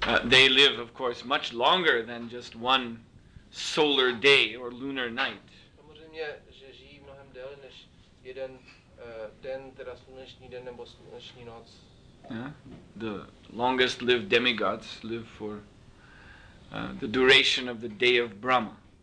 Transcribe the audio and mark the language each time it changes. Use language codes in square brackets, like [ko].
[en] They live, of course, much longer than just one solar day or lunar night. [cs] Samozřejmě, že žijí mnohem déle než jeden den, teda sluneční den nebo sluneční noc. [en] The longest lived demigods live for the duration of the day of Brahma.